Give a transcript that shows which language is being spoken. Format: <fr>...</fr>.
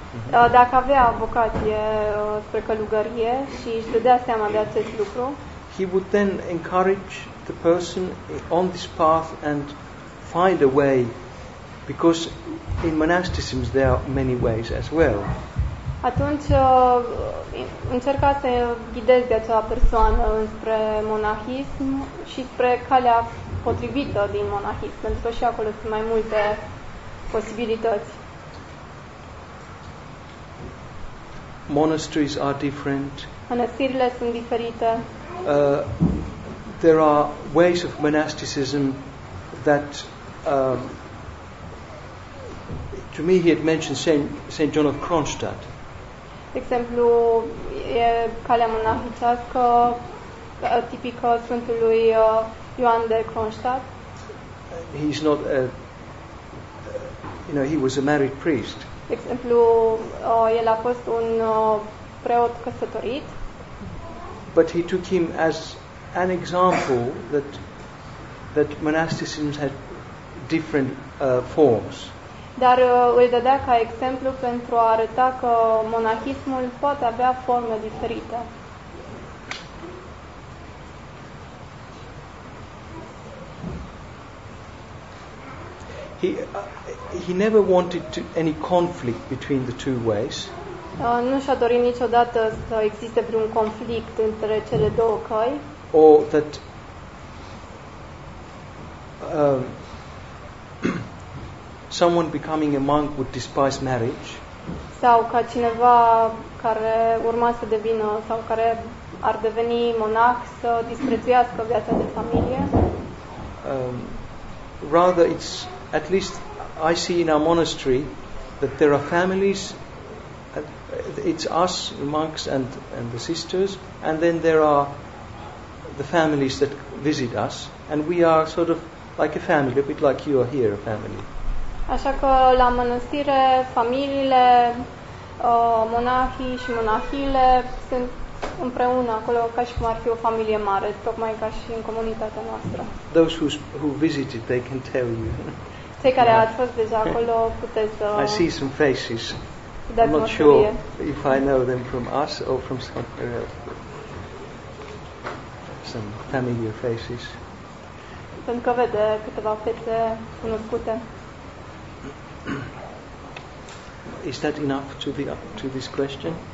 <ro>dacă avea vocație spre călugărie și își dădea seama de acest lucru,</ro> <en>he would then encourage the person on this path and find a way, because in monasticism there are many ways as well.</en> <ro>Atunci încerca să ghideze acea persoană spre monahism și spre calea potrivită din monahism, pentru că și acolo sunt mai multe posibilități.</ro> <en>Monasteries are different.</en> <ro>Mănăstirile sunt diferite.</ro> <en>There are ways of monasticism that to me he had mentioned Saint John of Kronstadt.</en> <ro>De exemplu, e calea monahicească tipică Sfântului Ioan de Kronstadt.</ro> <en>He's not a, you know, he was a married priest.</en> <ro>De exemplu, el a fost un preot căsătorit.</ro> <en>But he took him as an example that monasticism had different forms.</en> <ro>Dar îl dădea ca exemplu pentru a arăta că monahismul poate avea forme diferite.</ro> <en>He never wanted any conflict between the two ways.</en> <ro>Nu și-a dorit niciodată să existe vreun conflict între cele două căi.</ro> <en>Or that someone becoming a monk would despise marriage.</en> <ro>Sau ca cineva care urma să devină sau care ar deveni monah să disprețuiască viața de familie.</ro> <en>Rather, it's at least I see in our monastery that there are families. It's us monks and the sisters, and then there are the families that visit us, and we are sort of like a family, a bit like you are here, a family.</en> <ro>Așa că la mănăstire familiile, monahii și monahiile sunt împreună acolo ca și cum ar fi o familie mare, tocmai ca și în comunitatea noastră.</ro> <en>Those who visited, they can tell you.</en> <ro>Cei care ați fost deja acolo puteți să...</ro> <en>I see some faces. I'm not sure if I know them from us or from somewhere else. Some familiar faces.</en> <ro>Sunt că vede câteva fețe cunoscute.</ro> <en>Is that enough to the to this question?</en>